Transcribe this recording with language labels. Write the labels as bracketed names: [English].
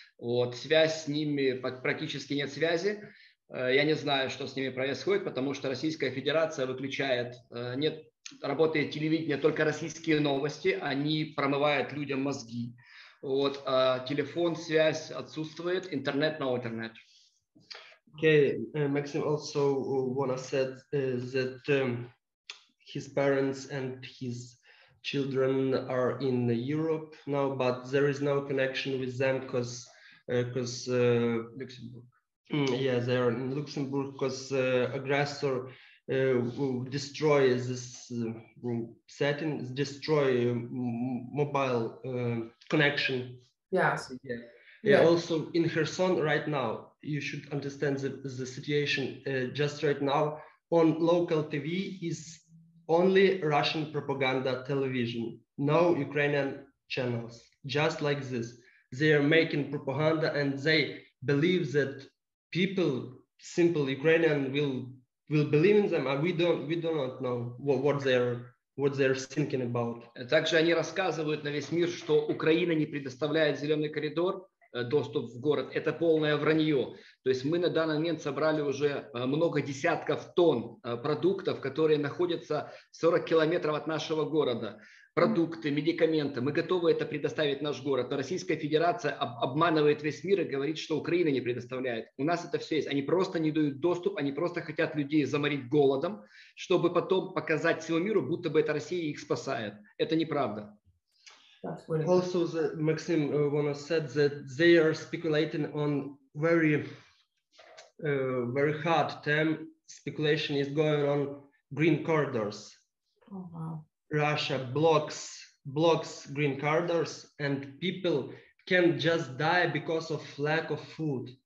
[Russian] Вот связь с ними, практически нет связи. Я не знаю, что с ними происходит, потому что Российская Федерация выключает, нет, работает телевидение, только российские новости, они промывают людям мозги. Вот, телефон, связь отсутствует, интернет, [English] no internet. Okay, Maxim also wanna say that his parents and his children are in Europe now, but there is no connection with them because Luxembourg. Yeah, they are in Luxembourg because aggressor destroy this setting, destroy mobile connection. Yes. Yeah. Yeah. Also in Kherson right now, you should understand the situation just right now on local TV is only Russian propaganda television, no Ukrainian channels, just like this. They are making propaganda and they believe that people, simple Ukrainian will believe in them. And we don't know what they're thinking about. [Russian] Также они рассказывают на весь мир, что Украина не предоставляет зеленый коридор, доступ в город. Это полное вранье. То есть мы на данный момент собрали уже много десятков тонн продуктов, которые находятся 40 километров от нашего города. Продукты, медикаменты. Мы готовы это предоставить наш город. Но Российская Федерация обманывает весь мир и говорит, что Украина не предоставляет. У нас это все есть. Они просто не дают доступ, они просто хотят людей заморить голодом, чтобы потом показать всему миру, будто бы это Россия их спасает. Это неправда. [English] Also, Maxim wanna said that they are speculating on very, very hard term. Speculation is going on green corridors. Oh, wow. Russia blocks green corridors, and people can just die because of lack of food.